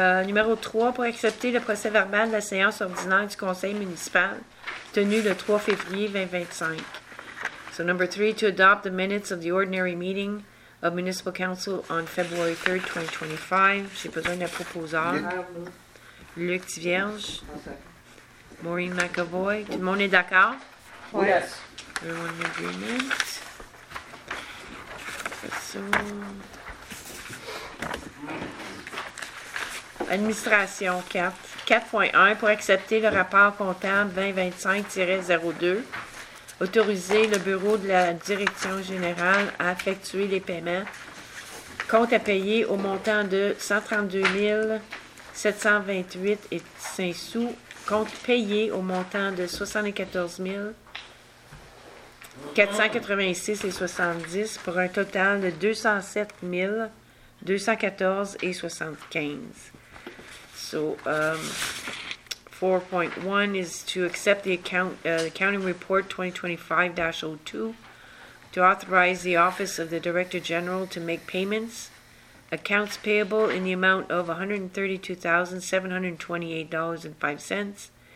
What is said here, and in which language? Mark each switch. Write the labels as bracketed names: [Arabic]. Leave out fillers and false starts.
[French] Numéro 3, pour accepter le procès verbal de la séance ordinaire du Conseil municipal, tenue le 3 février 2025. [English] So, number 3, to adopt the minutes of the ordinary meeting of Municipal Council on February 3rd, 2025. [French] J'ai besoin d'un proposeur. Luc Thivierge. Maureen McAvoy. Tout le monde est d'accord? Oui. Yes. [English] Everyone in agreement? So... [French] Administration 4.1 pour accepter le rapport comptable 2025-02. Autoriser le bureau de la direction générale à effectuer les paiements. Compte à payer au montant de 132 728,05 sous. Compte payé au montant de 74 486,70 pour un total de 207 214,75. [English] So, 4.1 is to accept the accounting report 2025-02 to authorize the Office of the Director General to make payments. Accounts payable in the amount of $132,728.05.